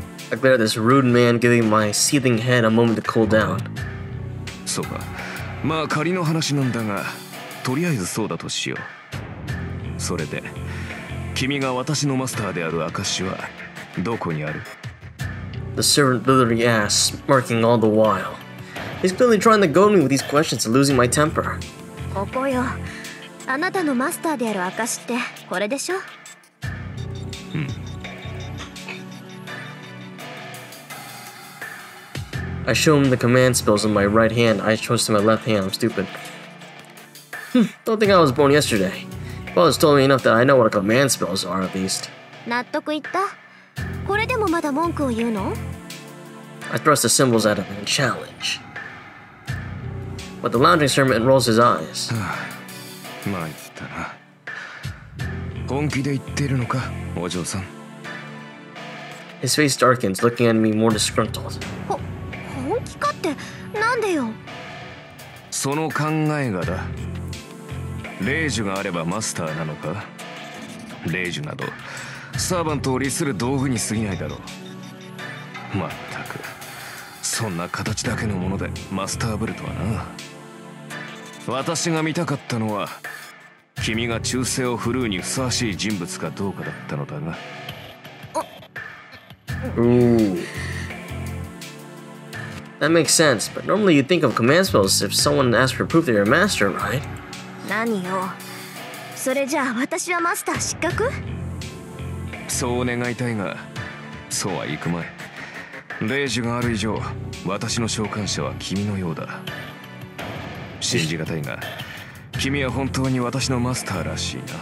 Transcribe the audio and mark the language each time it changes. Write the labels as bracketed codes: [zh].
[en] I glare at this rude man, giving my seething head a moment to cool down. [ja] そうか。まあ仮の話なんだが、とりあえずそうだとしよう。それで、君が私のマスターである証はどこにある？ [en] The servant literally asks, smirking all the while. He's clearly trying to goad me with these questions and losing my temper. [ja] ここよ。あなたのマスターである証ってこれでしょ？うん。 [en] I show him the command spells in my right hand. I chose to my left hand. I'm stupid. Don't think I was born yesterday. Father's told me enough that I know what command spells are, at least. [ja] 納得いった？これでもまだ文句を言うの？ [en] I thrust the symbols at him in challenge. But the lounging servant rolls his eyes. [ja] まあ言ったな。本気で言ってるのか、お嬢さん。 [en] His face darkens, looking at me more disgruntled. [ja] 本気かって、なんでよ？その考えがだ。レイジュがあればマスターなのか？レイジュなど、サーヴァントを利する道具に過ぎないだろう。まったく、そんな形だけのものでマスターぶるとはな。私が見たかったのは、君が忠誠を振るうにふさわしい人物かどうかだったのだが。 [en] That makes sense, but normally you think of command spells if someone asks for proof that you're a master, right? [ja] 何よ。それじゃあ私はマスター失格？そう願いたいが、そうはいくまい。レイジュがある以上、私の召喚者は君のようだ。信じがたいが、君は本当に私のマスターらしいな。